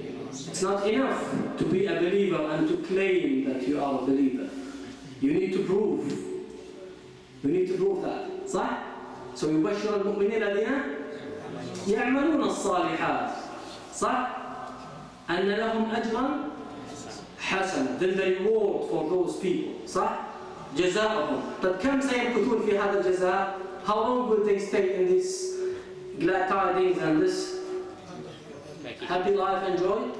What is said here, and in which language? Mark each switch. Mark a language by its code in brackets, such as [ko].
[en] It's not enough to be a believer and to claim that you are a believer. You need to prove. You need to prove that. صح? [ar] So يبشر المؤمنين الذين يعملون الصالحات. صح? أن لهم أجرا حسنا. [en] Then the reward for those people. صح? جزاؤهم. [ar] But كم سيمكثون في هذا الجزاء? [en] How long will they stay in this glad tidings and this happy life and joy?